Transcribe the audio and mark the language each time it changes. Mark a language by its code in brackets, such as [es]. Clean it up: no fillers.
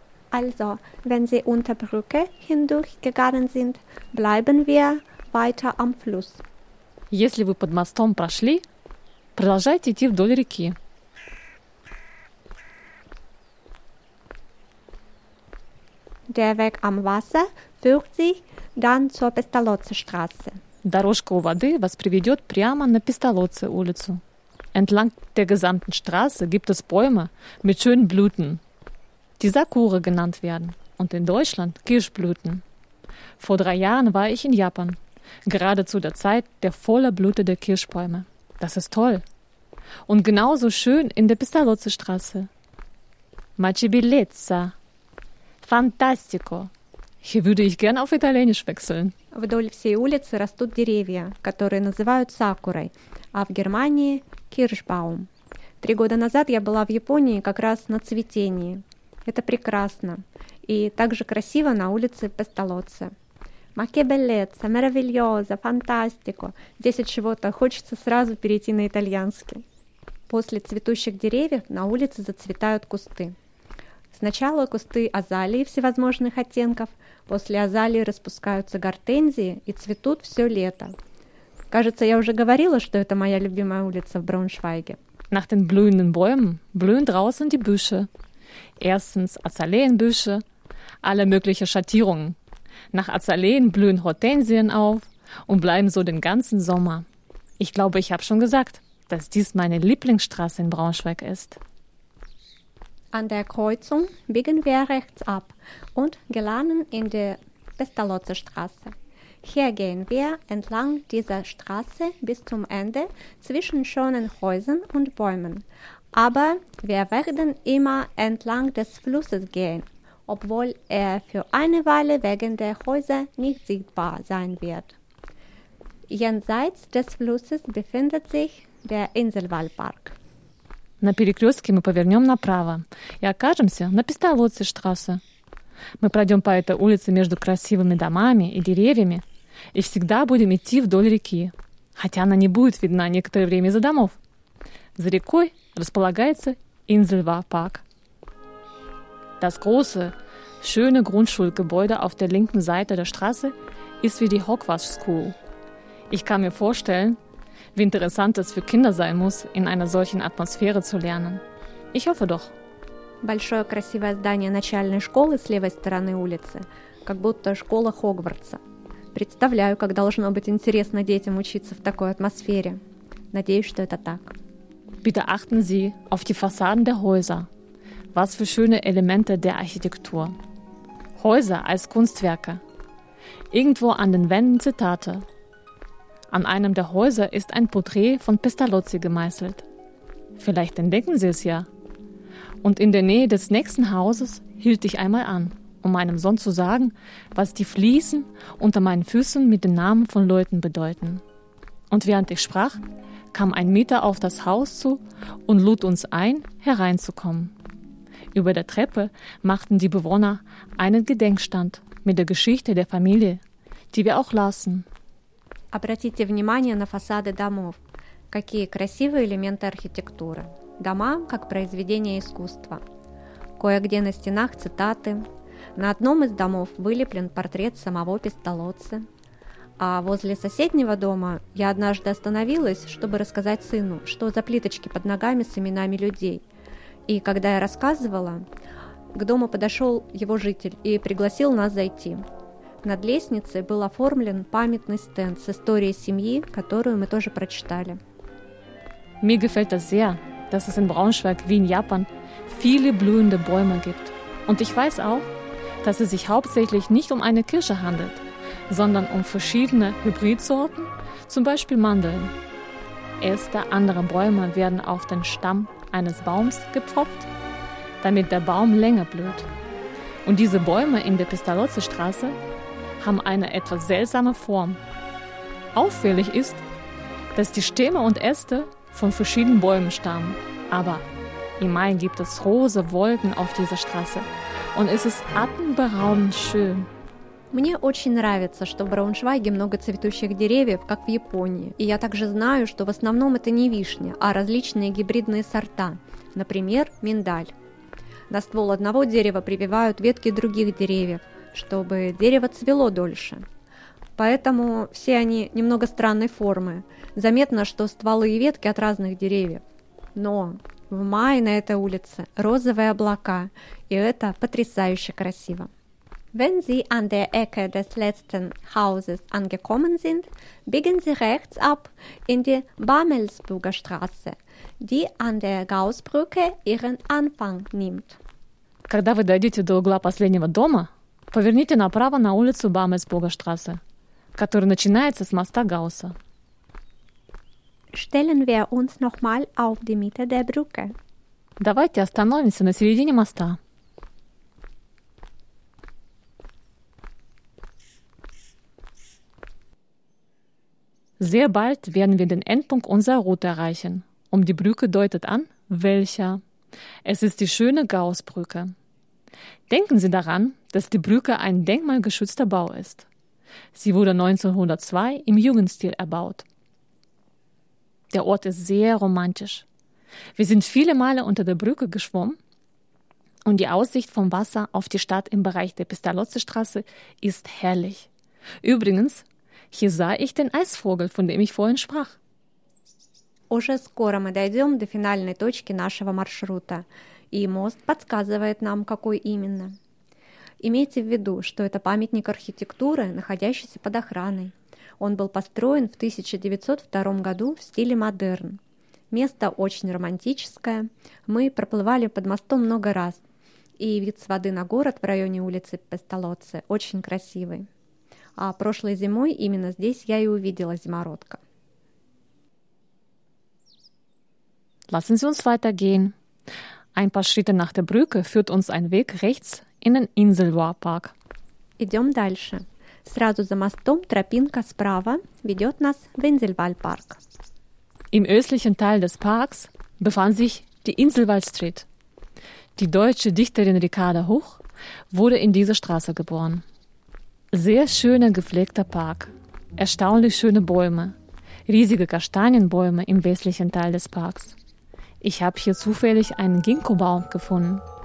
[de] Also, wenn Sie unter Brücke hindurchgegangen sind, bleiben wir weiter am Fluss. [ru] Если вы под мостом прошли, продолжайте идти вдоль реки. [de] Der Weg am Wasser führt Sie dann zur Pestalozzi-Straße. [ru] Дорожка у воды вас приведет прямо на Пестолоци-улицу. [de] Entlang der gesamten Straße gibt es Bäume mit schönen Blüten. Die Sakura genannt werden und in Deutschland Kirschblüten. Vor 3 Jahren war ich in Japan, gerade zu der Zeit der voller Blüte der Kirschbäume. Das ist toll. Und genauso schön in der Pestalozzi-Straße, [it] Mace bellezza. Fantastico. [de] Hier würde ich gern auf Italienisch wechseln. [ru] Вдоль всей улицы растут деревья, которые называют сакурой, а в Германии – киршбаум. 3 года назад я была в Японии как раз на цветении. Это прекрасно. И также красиво на улице Пестолоцци. [it] Ma che bellezza, meravigliosa, fantastico. [ru] Здесь от чего-то хочется сразу перейти на итальянский. После цветущих деревьев на улице зацветают кусты. Сначала кусты азалии всевозможных оттенков, после азалии распускаются гортензии и цветут все лето. Кажется, я уже говорила, что это моя любимая улица в Брауншвайге. [de] Nach den blühenden Bäumen blühen draußen die Büsche. Erstens Azaleenbüsche, alle möglichen Schattierungen. Nach Azaleen blühen Hortensien auf und bleiben so den ganzen Sommer. Ich glaube, ich habe schon gesagt, dass dies meine Lieblingsstraße in Braunschweig ist. An der Kreuzung biegen wir rechts ab und gelangen in die Pestalozzi Straße. Hier gehen wir entlang dieser Straße bis zum Ende zwischen schönen Häusern und Bäumen. Aber wir werden immer entlang des Flusses gehen, obwohl er für eine Weile wegen der Häuser nicht sichtbar sein wird. Jenseits des Flusses befindet sich der Inselwaldpark. [ru] На перекрестке мы повернем направо и окажемся на Пестолоцци Штрассе. Мы пройдем по этой улице между красивыми домами и деревьями и всегда будем идти вдоль реки, хотя она не будет видна некоторое время из-за домов. За рекой располагается Инзельва-парк. [de] Das große, schöne Grundschulgebäude auf der linken Seite der Straße ist wie die Hogwarts School. Ich kann mir vorstellen, wie interessant es für Kinder sein muss, in einer solchen Atmosphäre zu lernen. Ich hoffe doch. [ru] Большое красивое здание начальной школы с левой стороны улицы, как будто школа Хогвартса. Представляю, как должно быть интересно детям учиться в такой атмосфере. Надеюсь, что это так. [de] Bitte achten Sie auf die Fassaden der Häuser. Was für schöne Elemente der Architektur. Häuser als Kunstwerke. Irgendwo an den Wänden Zitate. An einem der Häuser ist ein Porträt von Pestalozzi gemeißelt. Vielleicht entdecken Sie es ja. Und in der Nähe des nächsten Hauses hielt ich einmal an, um meinem Sohn zu sagen, was die Fliesen unter meinen Füßen mit den Namen von Leuten bedeuten. Und während ich sprach, kam ein Mieter auf das Haus zu und lud uns ein, hereinzukommen. Über der Treppe machten die Bewohner einen Gedenkstand mit der Geschichte der Familie, die wir auch lasen. [ru] Обратите внимание на фасады домов. Какие красивые элементы архитектуры. Дома, как произведение искусства. Кое-где на стенах цитаты. На одном из домов вылеплен портрет самого Пестолоцци. А возле соседнего дома я однажды остановилась, чтобы рассказать сыну, что за плиточки под ногами с именами людей. И когда я рассказывала, к дому подошел его житель и пригласил нас зайти. Над лестницей был оформлен памятный стенд с историей семьи, которую мы тоже прочитали. [de] Mir gefällt das sehr, dass es in Braunschweig wie in Japan viele blühende Bäume gibt. Und ich weiß auch, dass es sich hauptsächlich nicht um eine Kirsche handelt, sondern um verschiedene Hybridsorten, zum Beispiel Mandeln. Äste anderer Bäume werden auf den Stamm eines Baums gepfropft, damit der Baum länger blüht. Und diese Bäume in der Pestalozzi Straße haben eine etwas seltsame Form. Auffällig ist, dass die Stämme und Äste von verschiedenen Bäumen stammen. Aber im Mai gibt es rosa Wolken auf dieser Straße und es ist atemberaubend schön. [ru] Мне очень нравится, что в Брауншвайге много цветущих деревьев, как в Японии. И я также знаю, что в основном это не вишня, а различные гибридные сорта, например, миндаль. На ствол одного дерева прививают ветки других деревьев, чтобы дерево цвело дольше. Поэтому все они немного странной формы. Заметно, что стволы и ветки от разных деревьев. Но в мае на этой улице розовые облака, и это потрясающе красиво. [de] Wenn Sie an der Ecke des letzten Hauses angekommen sind, biegen Sie rechts ab in die Bammelsburger Straße, die an der Gaußbrücke ihren Anfang nimmt. [ru] Когда вы дойдете до угла последнего дома, поверните направо на улицу Бамельсбурга Штрассе, которая начинается с моста Гаусса. [de] Stellen wir uns nochmal auf die Mitte der Brücke. [ru] Давайте остановимся на середине моста. [de] Sehr bald werden wir den Endpunkt unserer Route erreichen. Um die Brücke deutet an, welcher. Es ist die schöne Gaußbrücke. Denken Sie daran, dass die Brücke ein denkmalgeschützter Bau ist. Sie wurde 1902 im Jugendstil erbaut. Der Ort ist sehr romantisch. Wir sind viele Male unter der Brücke geschwommen und die Aussicht vom Wasser auf die Stadt im Bereich der Pestalozzi-Straße ist herrlich. Übrigens, hier sah ich den Eisvogel, von dem ich vorhin sprach. [ru] Уже скоро мы дойдем до финальной точки нашего маршрута, и мост подсказывает нам, какой именно. Имейте в виду, что это памятник архитектуры, находящийся под охраной. Он был построен в 1902 году в стиле модерн. Место очень романтическое. Мы проплывали под мостом много раз, и вид с воды на город в районе улицы Пестолоцци очень красивый. А прошлой зимой именно здесь я и увидела зимородка. [de] Lassen Sie uns weitergehen. Ein paar Schritte nach der Brücke führt uns ein Weg rechts in den Insel-Loire-Park. [ru] Идем дальше. Сразу за мостом тропинка справа ведет нас в Инсельвальпарк. [de] Im östlichen Teil des Parks befand sich die Inselwaldstreet. Die deutsche Dichterin Ricarda Hoch wurde in dieser Straße geboren. Sehr schöner, gepflegter Park. Erstaunlich schöne Bäume. Riesige Kastanienbäume im westlichen Teil des Parks. Ich habe hier zufällig einen Ginkgo-Baum gefunden.